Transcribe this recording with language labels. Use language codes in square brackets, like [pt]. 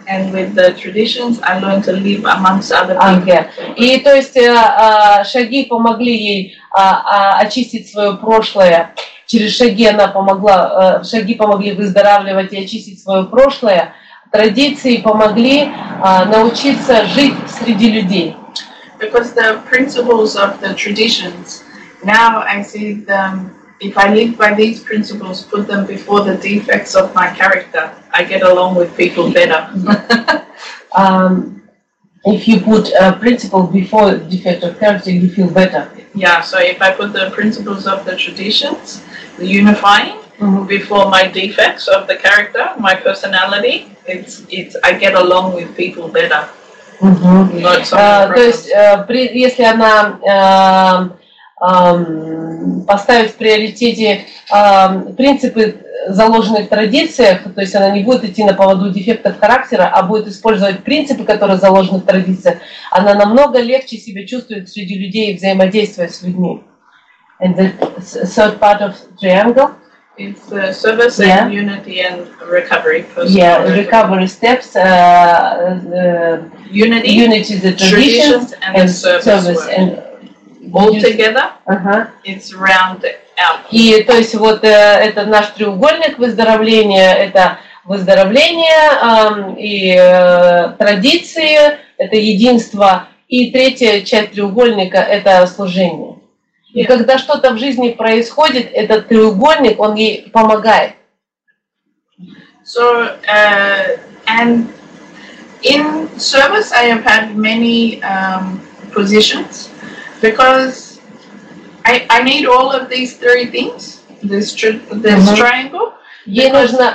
[en] and with the traditions, I learn to live amongst other people. Okay. [ru] И то есть шаги помогли ей очистить свое прошлое. Через шаги она помогла, шаги помогли выздоравливать и очистить свое прошлое. Традиции помогли научиться жить среди людей. [en] Because the principles of the traditions, now I see them, if I live by these principles, put them before the defects of my character, I get along with people better. If you put a principle before defect of character, you feel better. Yeah, so if I put the principles of the traditions, the unifying, mm-hmm. before my defects of the character, my personality, it's I get along with people better. Mm-hmm. Not so much. [ru] То есть, если она поставит в приоритете принципы, заложенные в традициях, то есть она не будет идти на поводу дефектов характера, а будет использовать принципы, которые заложены в традициях, она намного легче себя чувствует среди людей и взаимодействует с людьми. [en] And the third part of triangle? It's service yeah. and unity and recovery. Personal yeah, recovery steps. Unity is the traditions and service. And all together, uh-huh. it's round [ru] И то есть вот это наш треугольник выздоровления, это выздоровление и традиции, это единство, и третья часть треугольника – это служение. [en] Yeah. [ru] И когда что-то в жизни происходит, этот треугольник, он ей помогает. [en] So, and in service I have had many positions because I need all of these three things, this mm-hmm. triangle. [ru] Ей нужно...